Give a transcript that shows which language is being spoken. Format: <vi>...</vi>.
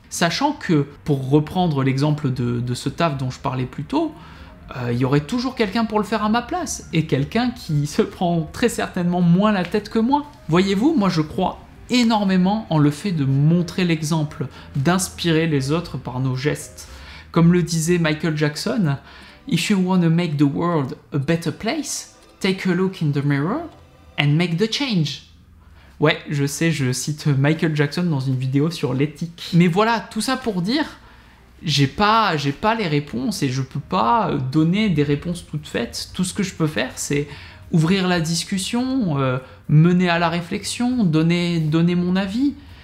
<fr>Sachant que, pour reprendre l'exemple de ce taf dont je parlais plus tôt, il y aurait toujours quelqu'un pour le faire à ma place, et quelqu'un qui se prend très certainement moins la tête que moi. Voyez-vous, moi je crois énormément en le fait de montrer l'exemple, d'inspirer les autres par nos gestes. Comme le disait</fr> <en>Michael Jackson, if you want to make the world a better place, take a look in the mirror and make the change.</en> <fr>Ouais, je sais, je cite Michael Jackson dans une vidéo sur l'éthique. Mais voilà, tout ça pour dire, j'ai pas les réponses et je peux pas donner des réponses toutes faites. Tout ce que je peux faire, c'est ouvrir la discussion, mener à la réflexion, donner mon avis.</fr>